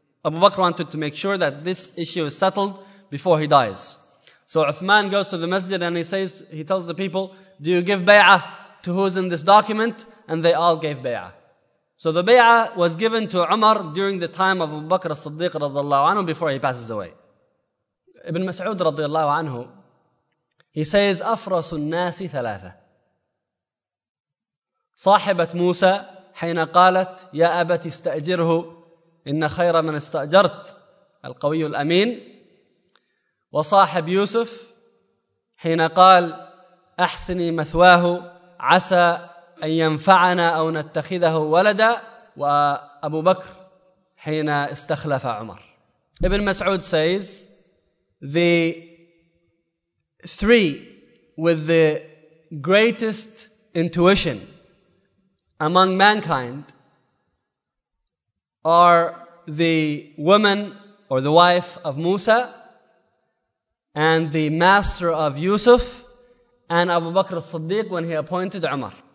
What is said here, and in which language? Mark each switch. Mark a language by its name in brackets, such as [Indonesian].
[English] Abu Bakr wanted to make sure that this issue is settled before he dies. So Uthman goes to the masjid and he tells the people, do you give bay'ah to who's in this document? And they all gave bay'ah. So the bay'ah was given to Umar during the time of Abu Bakr as-Siddiq radiallahu anhu before he passes away. [Arabic] Ibn Mas'ud radiallahu anhu, [English] he says, [Arabic] أَفْرَسُ النَّاسِ ثَلَاثَةً صَاحِبَةْ مُوسَى حَيْنَ قَالَتْ يَا أَبَتِ اسْتَأْجِرْهُ إِنَّ خَيْرَ مَنْ اسْتَأْجَرْتَ الْقَوِيُّ الْأَمِينَ وصاحب يوسف حين قال أحسني مثواه عسى أن ينفعنا أو نتخذه ولدا وأبو بكر حين استخلف عمر. [English] Ibn Mas'ud says, the three with the greatest intuition among mankind are the woman or the wife of Musa, and the master of Yusuf, and Abu Bakr as-Siddiq when he appointed Umar.